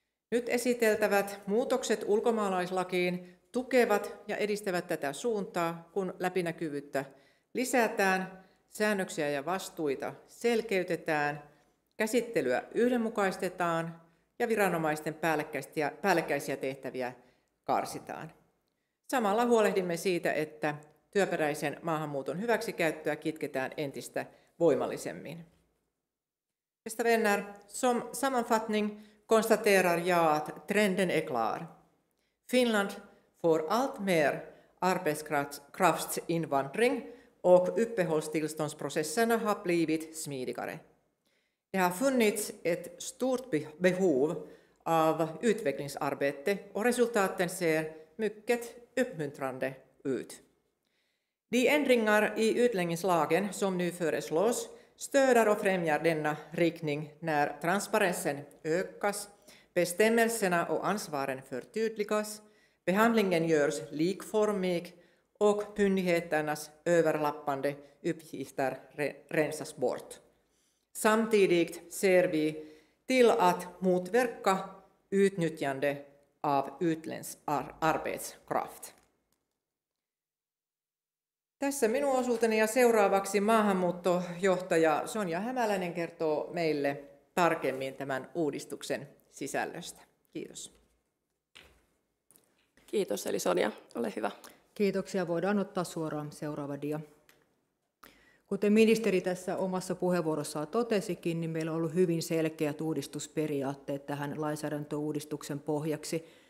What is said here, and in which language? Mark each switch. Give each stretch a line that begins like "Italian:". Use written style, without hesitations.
Finnish: Nyt esiteltävät muutokset ulkomaalaislakiin tukevat ja edistävät tätä suuntaa, kun läpinäkyvyyttä lisätään, säännöksiä ja vastuita selkeytetään, käsittelyä yhdenmukaistetaan ja viranomaisten päällekkäisiä tehtäviä karsitaan. Samalla huolehdimme siitä, että työperäisen maahanmuuton hyväksikäyttöä kitketään entistä voimallisemmin.
Swedish: Bästa vänner, som sammanfattning konstaterar jag att trenden är klar. Finland får allt mer arbetskraftsinvandring och uppehållstillståndsprocesserna har blivit smidigare. Det har funnits ett stort behov av utvecklingsarbete och resultaten ser mycket uppmuntrande ut. De ändringar i utlänningslagen som nu föreslås stöder och främjar denna riktning när transparensen ökas, bestämmelserna och ansvaren förtydligas, behandlingen görs likformig och myndigheternas överlappande uppgifter rensas bort. Samtidigt ser vi till att motverka utnyttjande av utländsk arbetskraft.
Finnish: Tässä minun osuuteni ja seuraavaksi maahanmuuttojohtaja Sonja Hämäläinen kertoo meille tarkemmin tämän uudistuksen sisällöstä. Kiitos. Kiitos, eli Sonja, ole hyvä. Kiitoksia, voidaan ottaa suoraan seuraava dia. Kuten ministeri tässä omassa puheenvuorossaan totesikin, niin meillä on ollut hyvin selkeät uudistusperiaatteet tähän lainsäädäntöuudistuksen pohjaksi.